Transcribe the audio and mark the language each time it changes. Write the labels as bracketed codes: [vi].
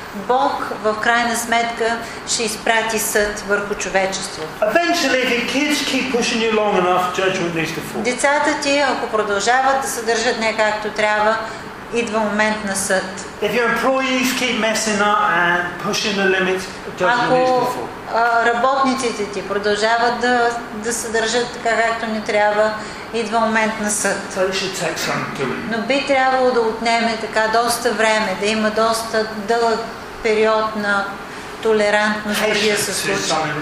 [bg] Бог в крайна сметка ще изпрати съд върху човечеството. [en] Eventually if your kids keep pushing you long enough, judgment needs to fall. [bg] Децата ти, ако продължават да се държат не както трябва, идва момент на съд. [en] If your employees keep messing up and pushing the limits, judgment [bg] ако работниците ти продължават да се държат така както не трябва, идва момент на съд. Но би трябвало да отнеме така доста време, да има доста дълъг период на толерантност, преди да се случи.